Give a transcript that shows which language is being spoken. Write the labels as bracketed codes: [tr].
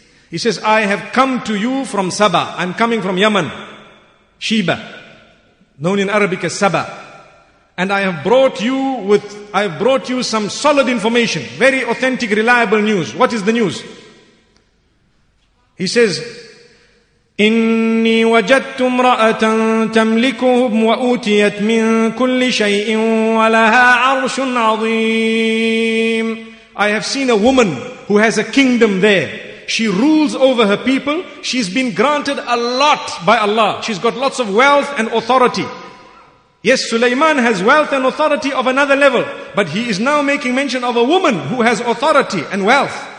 [en] He says, I have come to you from Saba. I'm coming from Yemen. Sheba. Known in Arabic as Saba. And I have brought you some solid information, very authentic, reliable news. What is the news? He says, [ar] إني وجدت امرأة تملكهم وأوتيت من كل شيء ولها عرش عظيم. [en] I have seen a woman who has a kingdom there. She rules over her people. She's been granted a lot by Allah. She's got lots of wealth and authority. Yes, Sulaiman has wealth and authority of another level. But he is now making mention of a woman who has authority and wealth.